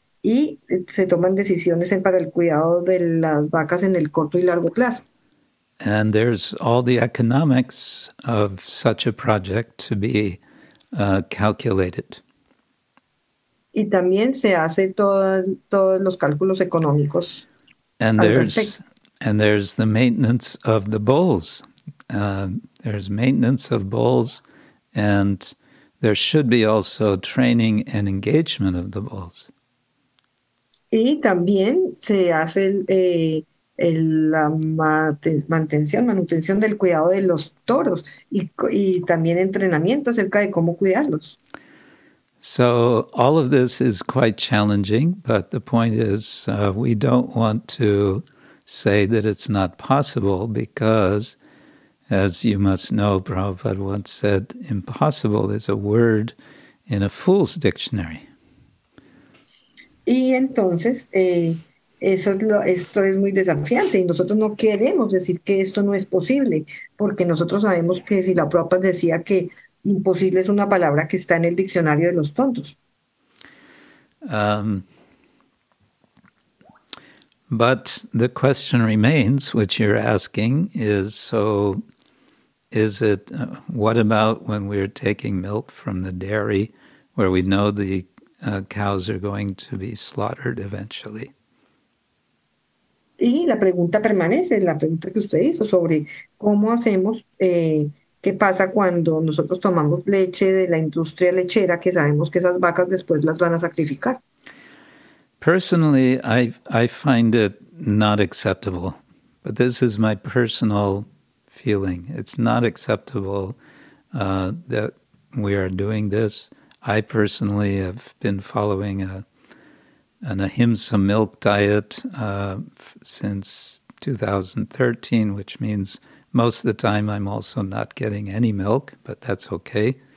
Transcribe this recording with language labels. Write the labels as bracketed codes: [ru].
[es] Y se toman decisiones para el cuidado de las vacas en el corto y largo plazo. [en] And there's all the economics of such a project to be calculated. [es] Y también se hace todos los cálculos económicos. [en] And there's the maintenance of the bulls. There's maintenance of bulls, and there should be also training and engagement of the bulls. [es] Y también se hace la manutención del cuidado de los toros y también entrenamiento acerca de cómo cuidarlos. [en] So all of this is quite challenging, but the point is we don't want to say that it's not possible because, as you must know, Prabhupada once said, impossible is a word in a fool's dictionary. [es] Y entonces, esto es muy desafiante y nosotros no queremos decir que esto no es posible, porque nosotros sabemos que si la Prabhupada decía que imposible es una palabra que está en el diccionario de los tontos. [en] But the question remains, which you're asking, is so, is it, what about when we're taking milk from the dairy where we know the cows are going to be slaughtered eventually. [es] Y la pregunta permanece, la pregunta que usted hizo sobre cómo hacemos, qué pasa cuando nosotros tomamos leche de la industria lechera que sabemos que esas vacas después las van a sacrificar. [en] Personally, I find it not acceptable, but this is my personal feeling. It's not acceptable that we are doing this. I personally have been following an ahimsa milk diet since 2013, which means most of the time I'm also not getting any milk, but that's okay.